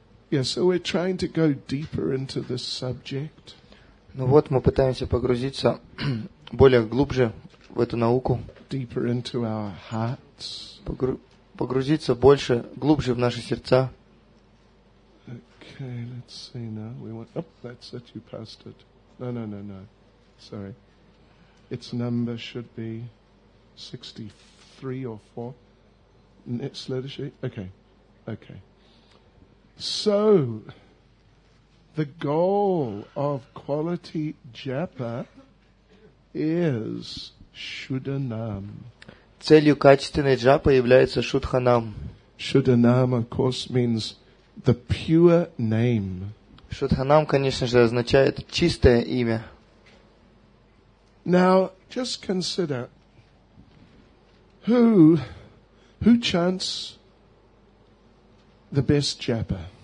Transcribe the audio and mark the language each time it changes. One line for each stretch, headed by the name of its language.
English: Yeah, so we're trying to go deeper into this subject.
Russian: Ну вот, мы пытаемся погрузиться более глубже в эту науку.
English: Deeper into our hearts.
Russian: Погрузиться больше, глубже в наши сердца.
English: Okay, let's see now. We want. Oh, that's it. You passed it. No. Sorry. Its number should be 63 or 4. Next letter sheet. Okay. So, the goal of quality japa is shuddhanam.
Russian: Целью качественной джапы является шудханам.
English: Шудханам, of course, means the pure name.
Russian: Шудханам, конечно же, означает чистое имя.
English: Now, just consider who chants the best japa.